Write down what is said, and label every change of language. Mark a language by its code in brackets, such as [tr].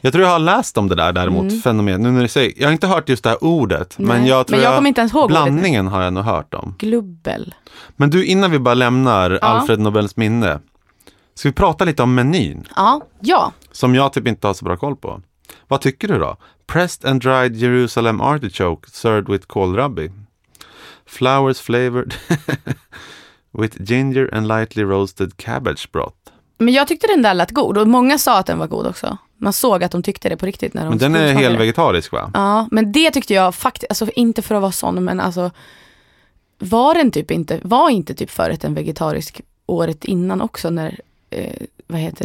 [sv] Jag tror jag har läst om det där däremot, fenomen. Nu när du säger, jag har inte hört just det här ordet. Nej. Men jag tror men jag kommer inte ens ihåg blandningen har jag nog hört om. Glubbel. Men du, innan vi bara lämnar Alfred Nobels minne. Ska vi prata lite om menyn? Ja. Som jag typ inte har så bra koll på. Vad tycker du då? [en] Pressed and dried Jerusalem artichoke served with kohlrabi. Flowers flavored... With ginger and lightly roasted cabbage broth. [sv] Men jag tyckte den där lät god. Och många sa att den var god också. Man såg att de tyckte det på riktigt. När de men den är helt vegetarisk va? Ja, men det tyckte jag faktiskt. Alltså inte för att vara sån. Men alltså. Var inte förrätt en vegetarisk året innan också? När, vad heter